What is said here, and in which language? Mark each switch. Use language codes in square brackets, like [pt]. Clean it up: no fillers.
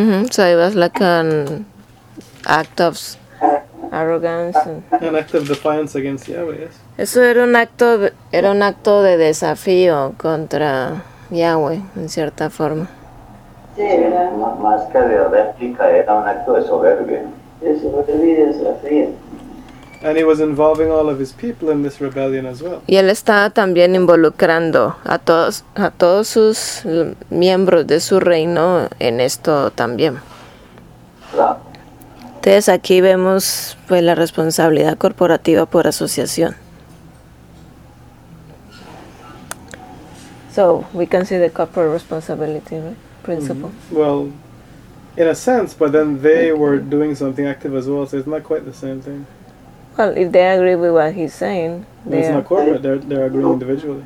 [en] So it was like an act of arrogance. An act of defiance against Yahweh, yes. [es] Eso era un acto de desafío contra Yahweh, en cierta forma. Sí, era más que de réplica, era un acto de soberbia. De soberbia y desafío. [en] And he was involving all of his people in this rebellion as well. [es] Y él estaba también involucrando a todos sus miembros de su reino en esto también. Entonces aquí vemos pues la responsabilidad corporativa por asociación. [en] So we can see the corporate responsibility, right? Principle. Mm-hmm. Well, in a sense, but then they were doing something active as well, so it's not quite the same thing. Well, if they agree with what he's saying, it's not corporate, they're agreeing individually.